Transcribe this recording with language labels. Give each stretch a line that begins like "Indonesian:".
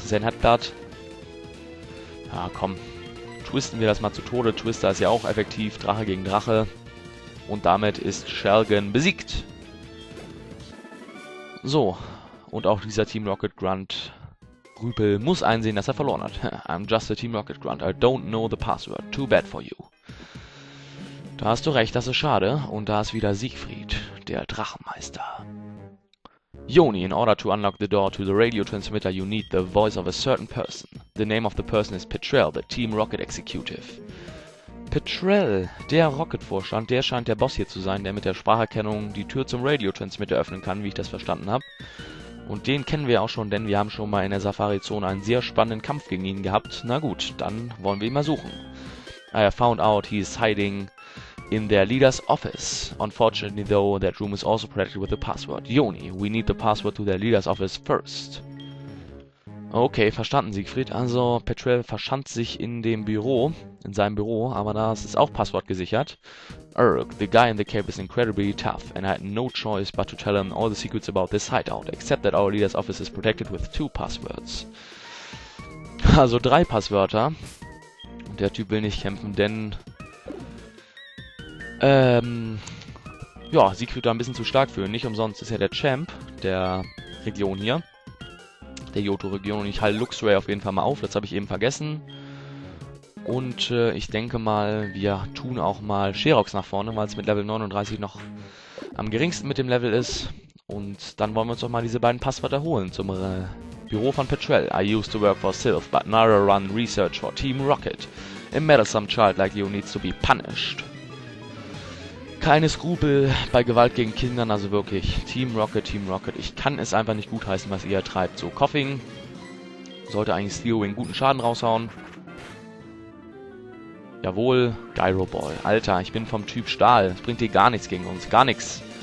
German: Zen Headbutt. Ja, komm. Twisten wir das mal zu Tode. Twister ist ja auch effektiv. Drache gegen Drache. Und damit ist Shelgen besiegt. So. Und auch dieser Team Rocket Grunt Rüpel muss einsehen, dass er verloren hat.
English: I'm just a Team Rocket Grunt. I don't know the password. Too bad for you.
German: Da hast du recht, das ist schade. Und da ist wieder Siegfried, der Drachenmeister.
English: Yoni, in order to unlock the door to the radio transmitter, you need the voice of a certain person. The name of the person is Petrel, the Team Rocket Executive.
German: Petrel, der Rocket-Vorstand, der scheint der Boss hier zu sein, der mit der Spracherkennung die Tür zum Radio-Transmitter öffnen kann, wie ich das verstanden habe. Und den kennen wir auch schon, denn wir haben schon mal in der Safari-Zone einen sehr spannenden Kampf gegen ihn gehabt. Na gut, dann wollen wir ihn mal suchen.
English: I have found out he is hiding in their leader's office. Unfortunately though, that room is also protected with the password. Yoni, we need the password to their leader's office first.
German: Okay, verstanden, Siegfried. Also, Petrel verschanzt sich in dem Büro, in seinem Büro, aber das ist auch Passwort gesichert.
English: Urg, the guy in the cape is incredibly tough, and I had no choice but to tell him all the secrets about this hideout, except that our leader's office is protected with two passwords.
German: Also drei Passwörter. Und der Typ will nicht kämpfen, denn. Ja, Siegfried war ein bisschen zu stark für ihn. Nicht umsonst ist er der Champ der Region hier. Der Johto-Region. Und ich halte Luxray auf jeden Fall mal auf. Das habe ich eben vergessen. Und ich denke mal, wir tun auch mal Sherox nach vorne, weil es mit Level 39 noch am geringsten mit dem Level ist. Und dann wollen wir uns auch mal diese beiden Passwörter holen zum Büro von Petrel.
English: I used to work for Sylph, but now I run research for Team Rocket. A meddlesome child like you needs to be punished.
German: Keine Skrupel bei Gewalt gegen Kindern, also wirklich. Team Rocket, Team Rocket. Ich kann es einfach nicht gutheißen, was ihr treibt. So, Koffing sollte eigentlich Steel Wing guten Schaden raushauen. Jawohl, Gyro Ball. Alter, ich bin vom Typ Stahl. Es bringt dir gar nichts gegen uns. Gar nichts.